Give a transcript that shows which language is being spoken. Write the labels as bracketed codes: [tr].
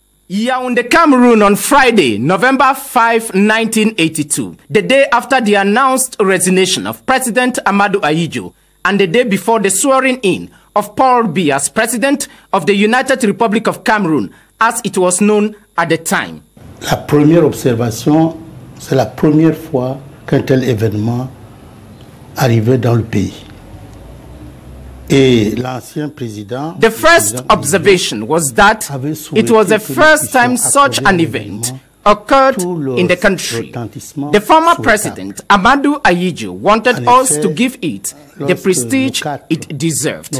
[en] Yaoundé, Cameroon, on Friday, November 5, 1982, the day after the announced resignation of President Ahmadou Ahidjo and the day before the swearing in of Paul Biya as President of the United Republic of Cameroon, as it was known at the time. [fr] La première observation, c'est la première fois qu'un tel événement arrivait dans le pays. [en] The first observation was that it was the first time such an event occurred in the country. The former president, Amadou Ahidjo, wanted us to give it the prestige it deserved.